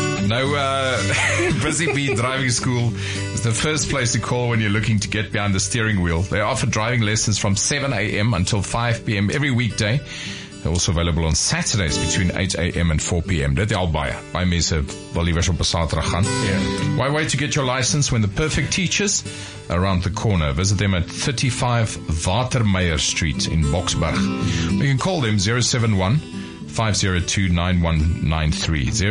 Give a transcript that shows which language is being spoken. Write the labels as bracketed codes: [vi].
[en] Nou, Busy Bee Driving School is the first place to call when you're looking to get behind the steering wheel. They offer driving lessons from 7 a.m. until 5 p.m. every weekday. They're also available on Saturdays between 8 a.m. and 4 p.m. [af] Dit al baie. Baie mense wil hier op 'n Saterdag gaan. [en] Why wait to get your license when the perfect teachers are around the corner? Visit them at 35 Watermeyer Street in Boksburg. You can call them 071-502-9193.